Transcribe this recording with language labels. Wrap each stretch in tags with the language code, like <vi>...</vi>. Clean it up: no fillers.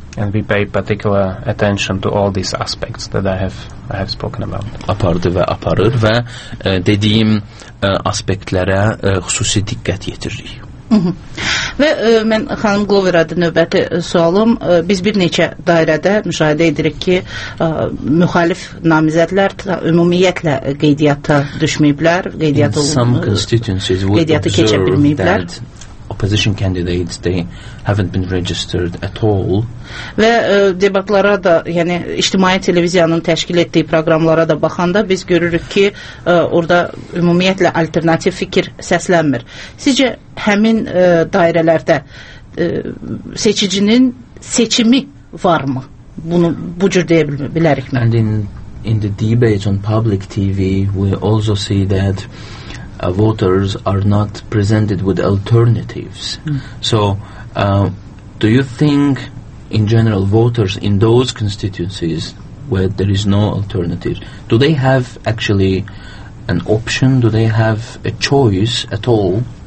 <en>And we pay particular attention to all these aspects that I have spoken about.</en> <az>Apardı və aparır və dediyim aspektlərə xüsusi diqqət yetiririk. Və mən xanım Glover adı növbəti sualım. Biz bir neçə dairədə müşahidə edirik ki, müxalif namizədlər ümumiyyətlə qeydiyyata düşməyiblər, qeydiyyata keçə bilməyiblər.</az> <en>Opposition candidates, they haven't been registered at all.</en> <az>Və debatlara da, yəni ictimai televiziyanın təşkil etdiyi proqramlara da baxanda biz görürük ki, orada ümumiyyətlə alternativ fikir səslənmir. Sizcə həmin dairələrdə seçicinin seçimi var mı? Bunu bu cür deyə bilərik mi?</az> <en>And in the debates on public TV, we also see that voters are not presented with alternatives. So do you think in general voters in those constituencies where there is no alternative, do they have actually an option, do they have a choice at all?</en>